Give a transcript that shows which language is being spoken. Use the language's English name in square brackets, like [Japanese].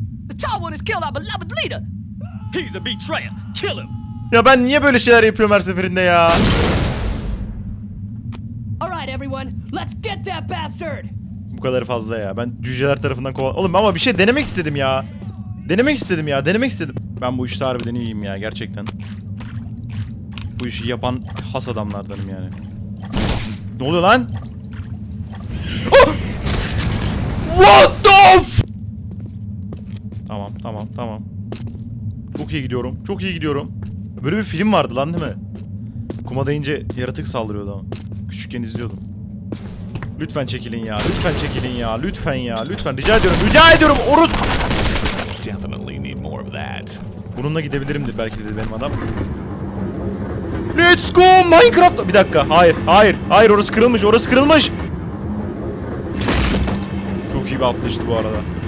[English] The tall one has killed our beloved leader. He's a betrayer. Kill him. [Turkish] Ya ben niye böyle şeyler yapıyorum her seferinde ya? [English] Let's get that bastard. [Turkish] Bu kadar fazla ya. Ben cüceler tarafından kovalandım. Oğlum ama bir şey denemek istedim ya. Denemek istedim. Ben bu işte harbiden iyiyim ya gerçekten. Bu işi yapan has adamlardanım yani. Ne oluyor lan? Ah! [English] What the f- [Turkish] Tamam. Çok iyi gidiyorum. Böyle bir film vardı lan değil mi? Kuma deyince yaratık saldırıyordu ama. Küçükken izliyordum. Lütfen çekilin ya. Lütfen. Rica ediyorum. Orus. [English] Definitely need more of that. [Turkish] Bununla gidebilirim de belki dedi benim adam. [English] Let's go Minecraft. [Turkish] Bir dakika. Hayır. Orası kırılmış. Çok iyi bir atlayıştı bu arada.